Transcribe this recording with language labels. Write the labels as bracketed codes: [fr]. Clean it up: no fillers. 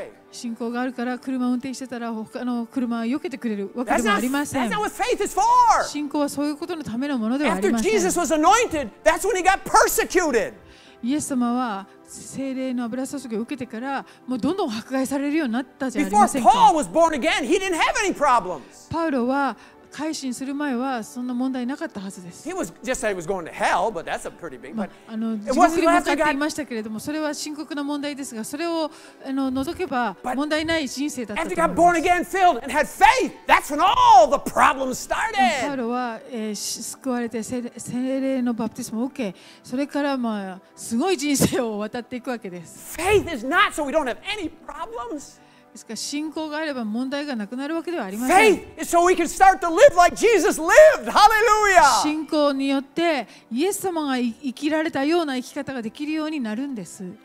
[ja] 信仰があるから車を運転してたら他の車は避けてくれるわけでもありません。 [en] that's not what faith is for. [ja] 信仰はそういうことのためのものではありません。 [en] After Jesus was anointed, that's when he got persecuted. [ja] イエス様は聖霊の油注ぎを受けてからもうどんどん迫害されるようになったじゃありませんか。 [en] Paul was born again, he didn't have any problems. [ja] パウロは改心する前はそんな問題なかったはずです。 [en] He was just said he was going to hell, but that's a pretty big but [ja] 地獄に向かっていましたけれどもそれは深刻な問題ですがそれを除けば問題ない人生だったと思います。 [en] After he got born again, filled and had faith, that's when all the problems started. [ja] パウロは救われて聖霊のバプティスムを受けそれからまあすごい人生を渡っていくわけです。 [en] Faith is not so we don't have any problems. [ja] ですから信仰があれば問題がなくなるわけではありません。 [en] Faith is so we can start to live like Jesus lived. Hallelujah. [ja] 信仰によってイエス様が生きられたような生き方ができるようになるんです。